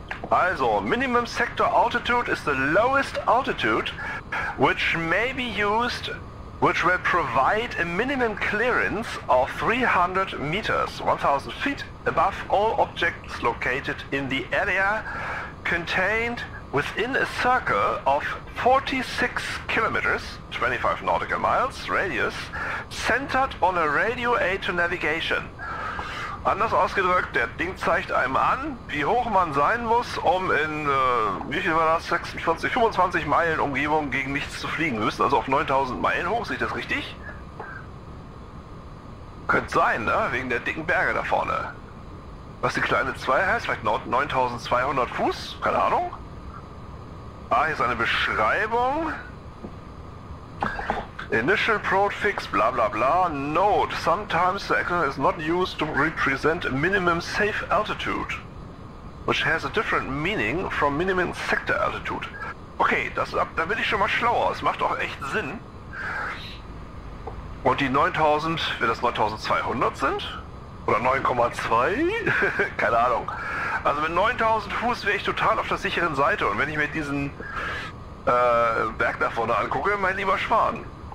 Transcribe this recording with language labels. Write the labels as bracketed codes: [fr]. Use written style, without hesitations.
[en] Also, Minimum Sector Altitude is the lowest altitude which may be used, which will provide a minimum clearance of 300 meters, 1000 feet above all objects located in the area contained within a circle of 46 kilometers, 25 nautical miles radius, centered on a radio aid to navigation. [de] Anders ausgedrückt, der Ding zeigt einem an, wie hoch man sein muss, um in, wie viel war das, 46, 25 Meilen Umgebung gegen nichts zu fliegen. Wir müssen also auf 9000 Meilen hoch, sehe ich das richtig? Könnte sein, ne? Wegen der dicken Berge da vorne. Was die kleine 2 heißt, vielleicht 9200 Fuß, keine Ahnung. Ah, hier ist eine Beschreibung. [en] Initial prefix, bla bla bla. Note, sometimes the acronym is not used to represent a minimum safe altitude, which has a different meaning from minimum sector altitude. [de] Okay, das, da bin ich schon mal schlauer. Es macht auch echt Sinn. Und die 9000, wenn das 9200 sind? Oder 9,2? Keine Ahnung. Also mit 9000 Fuß wäre ich total auf der sicheren Seite. Und wenn ich mir diesen Berg da vorne angucke, mein lieber Schwan.